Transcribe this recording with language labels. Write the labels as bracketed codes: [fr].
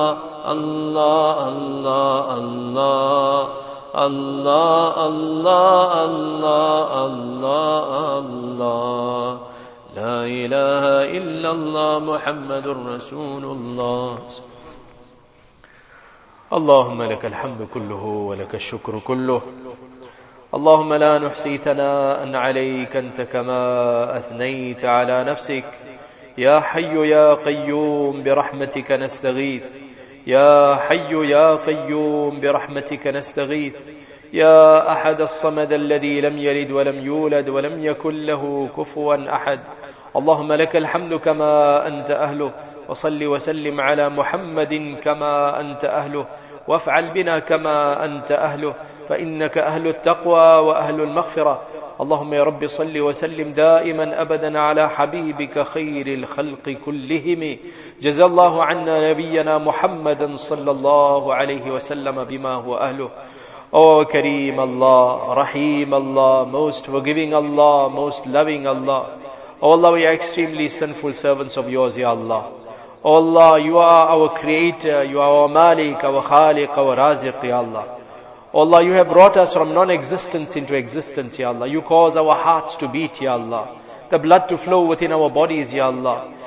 [ar] الله الله الله الله لا إله إلا الله محمد رسول الله. اللهم لك الحمد كله ولك الشكر كله. اللهم لا نحصي ثناء عليك أنت كما أثنيت على نفسك. يا حي يا قيوم برحمتك نستغيث. يا حي يا قيوم برحمتك نستغيث. يا أحد الصمد الذي لم يلد ولم يولد ولم يكن له كفوا أحد. اللهم لك الحمد كما أنت أهله، وصلي وسلم على محمد كما أنت أهله، وافعل بنا كما أنت أهله، فإنك أهل التقوى وأهل المغفرة. اللهم يا رب صل وسلم دائما أبدا على حبيبك خير الخلق كلهم. جزى الله عنا نبينا محمدا صلى الله عليه وسلم بما هو أهله. أو كريم الله، رحيم الله، [en] most forgiving [ar] الله، [en] most loving [ar] الله. [en] Oh Allah, we are extremely sinful servants of yours, Ya Allah. Oh Allah, you are our creator, you are our malik, our khaliq, our raziq, Ya Allah. Oh Allah, you have brought us from non-existence into existence, Ya Allah. You cause our hearts to beat, Ya Allah. The blood to flow within our bodies, Ya Allah.